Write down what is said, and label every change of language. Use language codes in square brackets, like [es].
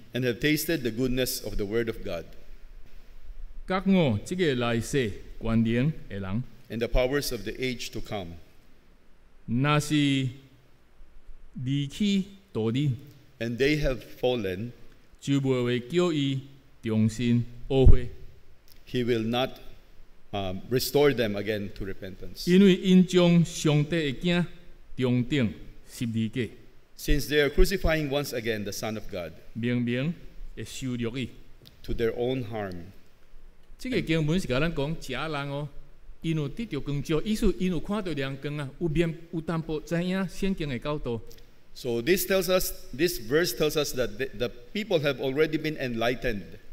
[en] and have tasted the goodness of the Word of God, [nan] 觉悟这个来世关联的人, [en] and the powers of the age to come, [nan] 若是离去, [en] and they have fallen, [nan] 就不会叫他重新懊悔, [en] he will not restore them again to repentance. [nan] 因为因将上帝的子钉钉十字架, [en] since they are crucifying once again the Son of God, [nan] 明明会羞辱他, [en] to their own harm. [nan] 这个经文是跟我们说，这人哦, 因为得到光照, 意思因为看到亮光啊，有淡薄知影圣经的教导。 [en] So this verse tells us that the people have already been enlightened.